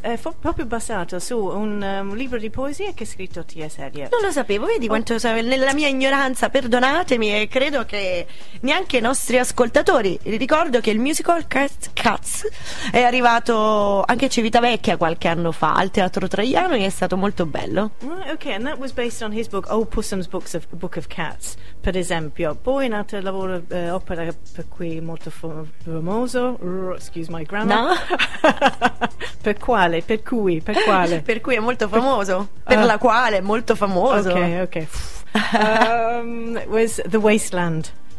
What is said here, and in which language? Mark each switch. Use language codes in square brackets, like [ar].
[it] è proprio basato su un libro di poesia che ha scritto T.S. Eliot. Non lo sapevo, vedi quanto nella mia ignoranza, perdonatemi, e credo che neanche i nostri ascoltatori. Ricordo che il musical Cats è arrivato anche a Civitavecchia qualche anno fa al Teatro Traiano e è stato molto bello. [en] Right, ok, and that was based on his book Old Pussum's Book of Cats, [it] per esempio. Poi in altro lavoro opera per cui molto famoso, [en] excuse my grammar, [it] no. per quale per cui è molto famoso, per la quale è molto famoso, [en] ok, was The Wasteland.